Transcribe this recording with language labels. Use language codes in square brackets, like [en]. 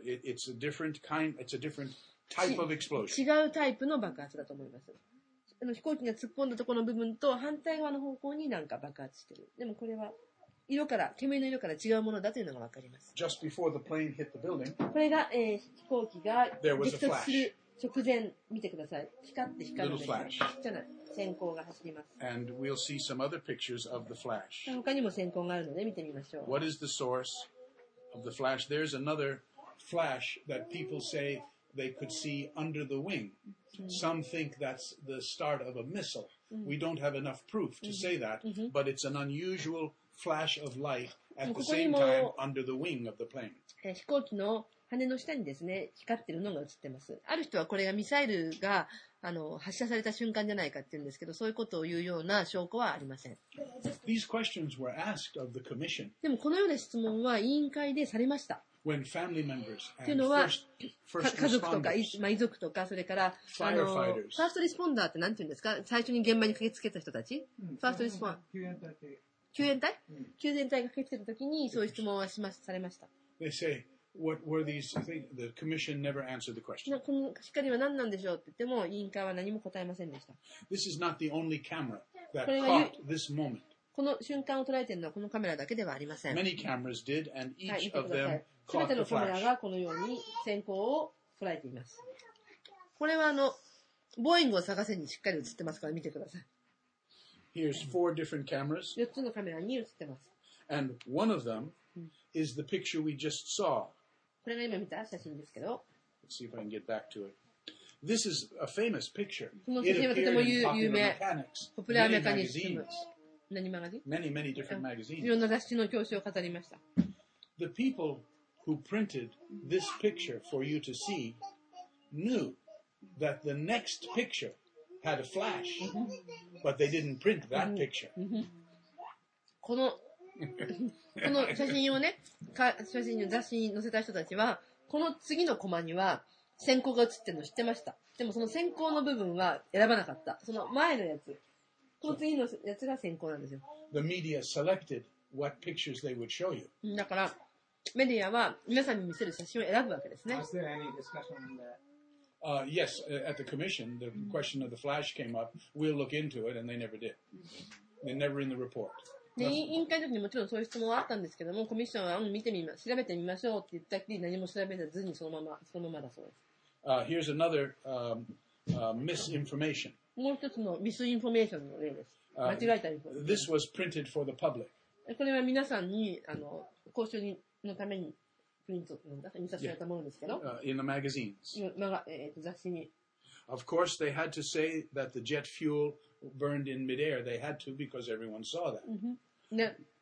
[en] It's a different kind, it's a different type of explosion. [ja] 違うタイプの爆発だと思います。飛行機が突っ込んだところの部分と反対側の方向になんか爆発してる。でもこれは色から煙の色から違うものだというのが分かります。 [en] Just before the plane hit the building, [ja] これが、飛行機が激突する直前、見てください。光って光るみたいな閃光が走ります。 [en] And we'll see some other pictures of the flash. [ja] 他にも閃光があるので見てみましょう。 [en] What is the source of the flash? There's another flash that people say they could see under the wing. Some think that's the start of a missile. We don't have enough proof to say that, but it's an unusualFlash of light at the same time under the wing of the plane. [ja] 飛行機の羽の下にですね、光ってるのが映ってます。ある人はこれがミサイルが発射された瞬間じゃないかって言うんですけど、そういうことを言うような証拠はありません。 [en] These questions were asked of the commission. [ja] でもこのような質問は委員会でされました。 [en] When family members and first responders, [ja] というのは家族とか、まあ、遺族とかそれからファーストリスポンダーって何て言うんですか？最初に現場に駆けつけた人たち、ファーストリスポンダー。救援隊、救援隊が駆けつけたときにそういう質問はしますされました。 [en] They say, what were these things? The commission never answered the question. [ja] この光は何なんでしょうって言っても委員会は何も答えませんでした。 [en] This is not the only camera that caught this moment. [ja] この瞬間を捉えているのはこのカメラだけではありません。 [en] Many cameras did, and each of them caught the flash. [ja] 全てのカメラがこのように閃光を捉えています。これはボーイングを探せにしっかり映ってますから見てください。 [en] Here's four different cameras. [ja] 4つのカメラに映ってます。 [en] And one of them is the picture we just saw. [ja] これが今見た写真ですけど。 [en] Let's see if I can get back to it. This is a famous picture. [ja] この写真はとても有名。ポピュラーメカニズム。何マガジン？ [en] Many, many different magazines. [ja] いろんな雑誌の表紙を飾りました。 [en] The people who printed this picture for you to see knew that the next picture had a flash. But they didn't print that picture. [ja] この写真をね、写真を雑誌に載せた人たちは、この次のコマには閃光が映ってるのを知ってました。でもその閃光の部分は選ばなかった。その前のやつ、この次のやつが閃光なんですよ。 [en] The media selected what pictures they would show you. [ja] だからメディアは皆さんに見せる写真を選ぶわけですね。 [en] Was there any discussion on that? Yes, at the commission, the question of the flash came up. We'll look into it, and they never did. They're never in the report. [ja] 委員会の時にもちろんそういう質問はあったんですけども、コミッションは見てみま、調べてみましょうって言ったっきり何も調べずにそのままだそうです。 [en] Here's another misinformation. [ja] もう一つのミスインフォメーションの例です。間違えたインフォメーション。 [en] This was printed for the public. [ja] これは皆さんに公衆のために。プリントなんだ印刷されたものですけど、 [en] in the magazines. [ja] 雑誌に。 [en] Of course, they had to say that the jet fuel burned in midair. They had to because everyone saw that.